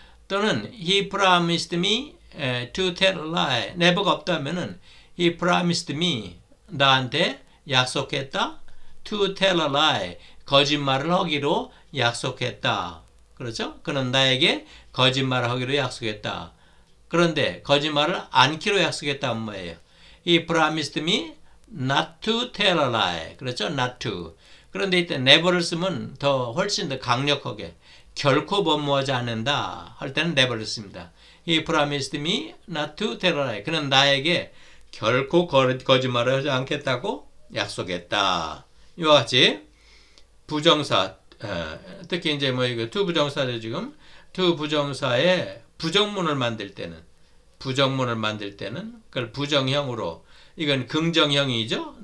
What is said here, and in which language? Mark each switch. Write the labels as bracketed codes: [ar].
[ko] 또는 [en] he promised me to tell a lie. never가 없다면은 he promised me [ko] 나한테 약속했다. [en] To tell a lie. [ko] 거짓말을 하기로 약속했다. 그렇죠? 그는 나에게 거짓말을 하기로 약속했다. 그런데 거짓말을 않기로 약속했단 말이에요. [en] He promised me not to tell a lie. [ko] 그렇죠? [en] Not to. [ko] 그런데 이때 never를 쓰면 더 훨씬 더 강력하게 결코 범모하지 않는다 할 때는 never를 씁니다. [en] He promised me not to tell a lie. [ko] 그는 나에게 결코 거짓말을 하지 않겠다고 약속했다. 이와 같이 부정사, 특히 이제 뭐 이거 to 부정사죠 지금. to 부정사에 부정문을 만들 때는, 부정문을 만들 때는 그걸 부정형으로, 이건 긍정형이죠.